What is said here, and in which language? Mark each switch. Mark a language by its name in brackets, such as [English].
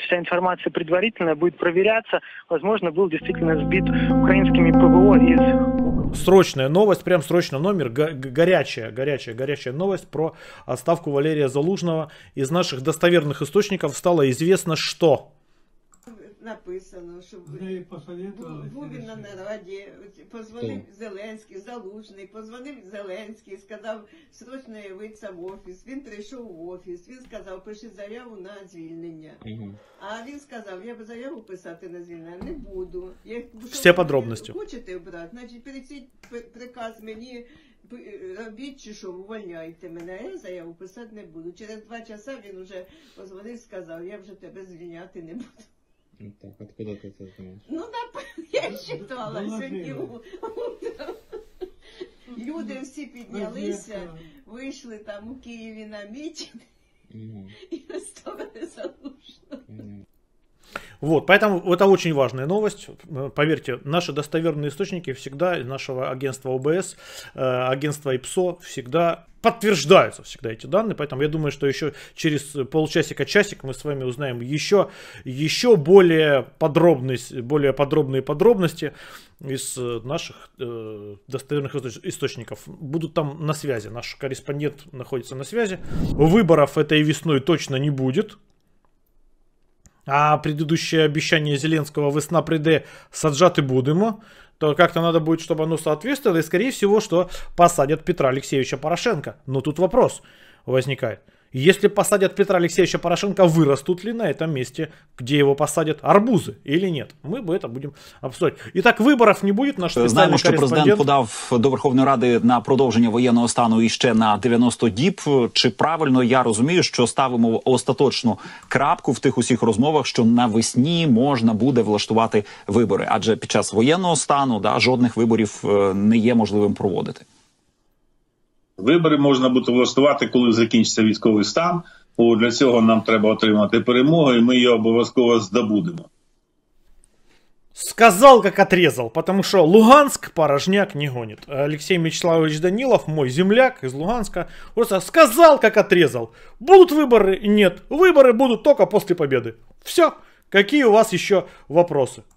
[Russian] Вся информация предварительная будет проверяться. Возможно, был действительно сбит украинскими ПВО из... Срочная новость, прям срочно номер. Горячая новость про отставку Валерия Залужного. Из наших достоверных источников стало известно, что... [Ukrainian] Написано, щоб Бубін на нараді, позвонив Зеленський, Залужний, позвонив Зеленський, сказав, срочно явиться в офіс. Він прийшов в офіс, він сказав, пиши заяву на звільнення. А він сказав, я би заяву писати на звільнення не буду. Все подробності. Хочете брати, значить пересіть приказ мені, робіть чи що, увольняйте мене, я заяву писати не буду. Через два часа він вже позвонив, сказав, я вже тебе звільняти не буду. [Russian] Так, откуда ты это знаешь? Я считала сьогодні утром. [Ukrainian] Люди всі піднялися, вийшли там у Києві на мітинг і оставили Залужного. [Russian] Вот, поэтому это очень важная новость. Поверьте, наши достоверные источники всегда, нашего агентства ОБС, агентства ИПСО, всегда подтверждаются всегда эти данные. Поэтому я думаю, что еще через полчасика-часик мы с вами узнаем еще более подробные подробности из наших достоверных источников. Будут там на связи. Наш корреспондент находится на связи. Выборов этой весной точно не будет. А предыдущее обещание Зеленского [Ukrainian] «Весна приде, саджати будемо», [Russian] то как-то надо будет, чтобы оно соответствовало, и скорее всего, что посадят Петра Алексеевича Порошенко. Но тут вопрос возникает. Если посадят Петра Алексеевича Порошенко, вырастут ли на этом месте, где его посадят, арбузы или нет? Мы бы это будем обсуждать. Итак, выборов не будет, наш специальный знаем, что [Ukrainian] президент подав до Верховної Ради на продовження воєнного стану іще на 90 діб. Чи правильно я розумію, що ставимо остаточну крапку в тих усіх розмовах, що навесні можна буде влаштувати вибори? Адже під час воєнного стану жодних виборів не є можливим проводити. Вибори можна буде влаштувати, коли закінчиться військовий стан. О, для цього нам треба отримати перемогу, і ми її обов'язково здобудемо. [Russian] Сказал, как отрезал, потому что Луганск порожняк не гонит. Алексей Мячеславович Данилов, мой земляк из Луганска, просто сказал, как отрезал. Будут выборы? Нет. Выборы будут только после победы. Все. Какие у вас еще вопросы?